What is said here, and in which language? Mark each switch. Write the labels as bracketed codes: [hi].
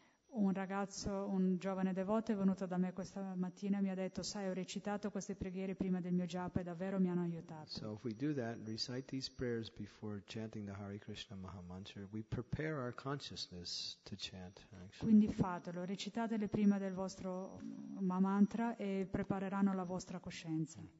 [it] Un ragazzo, un giovane devoto è venuto da me questa mattina e mi ha detto: sai, ho recitato queste preghiere prima del mio japa e davvero mi hanno aiutato. [en] So if we do that and recite these prayers before chanting the Hare Krishna Mahamantra, we prepare our consciousness to chant, actually. [it] Quindi fatelo, recitatele prima del vostro Mahamantra e prepareranno la vostra coscienza.